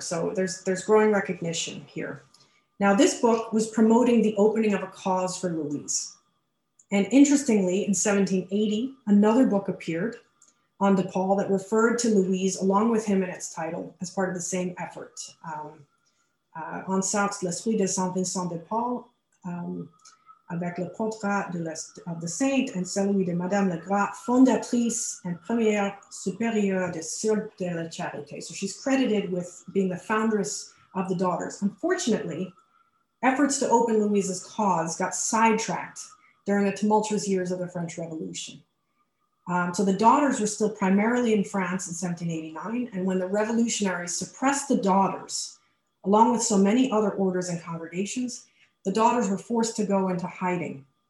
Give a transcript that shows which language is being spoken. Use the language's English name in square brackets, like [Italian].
[English] So there's growing recognition here. Now, this book was promoting the opening of a cause for Louise. And interestingly, in 1780, another book appeared on De Paul that referred to Louise along with him in its title as part of the same effort. [French] En Sartre, l'esprit de Saint Vincent de Paul, avec le portrait [English] of the saint [French] and celui de Madame Legras, fondatrice and première supérieure de Sœurs de la Charité. [English] So she's credited with being the foundress of the Daughters. Unfortunately, efforts to open Louise's cause got sidetracked during the tumultuous years of the French Revolution. So the Daughters were still primarily in France in 1789, and when the revolutionaries suppressed the Daughters, along with so many other orders and congregations, the Daughters were forced to go into hiding.